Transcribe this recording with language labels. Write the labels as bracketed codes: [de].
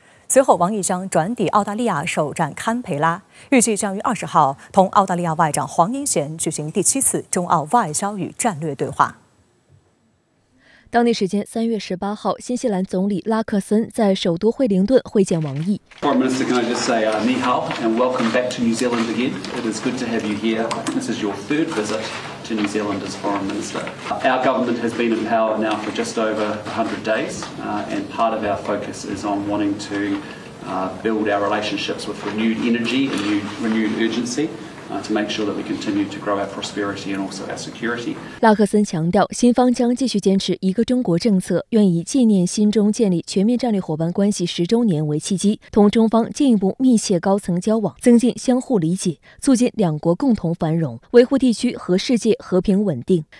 [zh] 随后，王毅将转抵澳大利亚，首站堪培拉，预计将于20号同澳大利亚外长黄英贤举行第七次中澳外交与战略对话。当地时间3月18号，新西兰总理拉克森在首都惠灵顿会见王毅。 [en] Prime Minister, can I just say, [zh] ni hao [en] and welcome back to New Zealand again. It is good to have you here. This is your third visit to New Zealand as Foreign Minister. Our government has been in power now for just over 100 days, and part of our focus is on wanting to build our relationships with renewed energy and renewed urgency. To make sure that we continue to grow our prosperity and also our security. [zh] 拉克森强调，新方将继续坚持一个中国政策，愿以纪念新中建立全面战略伙伴关系十周年为契机，同中方进一步密切高层交往，增进相互理解，促进两国共同繁荣，维护地区和世界和平稳定。